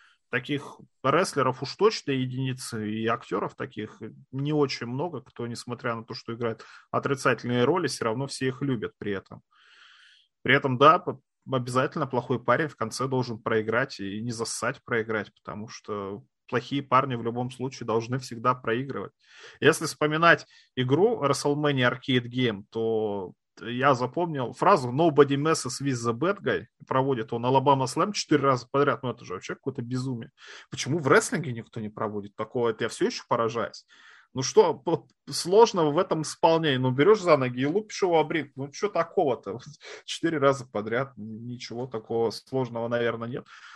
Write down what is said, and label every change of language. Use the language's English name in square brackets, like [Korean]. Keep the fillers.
[Russian] таких рестлеров уж точно единицы, и актеров таких не очень много, кто, несмотря на то, что играет отрицательные роли, все равно все их любят при этом. При этом, да, обязательно плохой парень в конце должен проиграть и не зассать проиграть, потому что плохие парни в любом случае должны всегда проигрывать. Если вспоминать игру WrestleMania Arcade Game, то я запомнил фразу [English] «Nobody messes with the bad guy». [Russian] Проводит он Алабама Слэм четыре раза подряд. Ну, это же вообще какое-то безумие. Почему в рестлинге никто не проводит такого? Это я все еще поражаюсь. Ну что сложного в этом исполнении? Ну берешь за ноги и лупишь его обрит. Ну что такого-то? Четыре раза подряд ничего такого сложного, наверное, нет.